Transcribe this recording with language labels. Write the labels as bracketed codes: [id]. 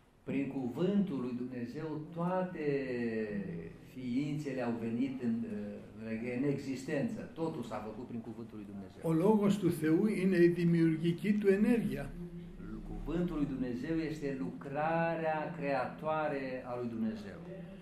[ro] Prin cuvântul lui Dumnezeu, toate ființele au venit în existență. Totul s-a făcut prin cuvântul lui Dumnezeu. [el] O logos του Θεού είναι η δημιουργική του ενέργεια. [ro] Cuvântul lui Dumnezeu este lucrarea creatoare a lui Dumnezeu.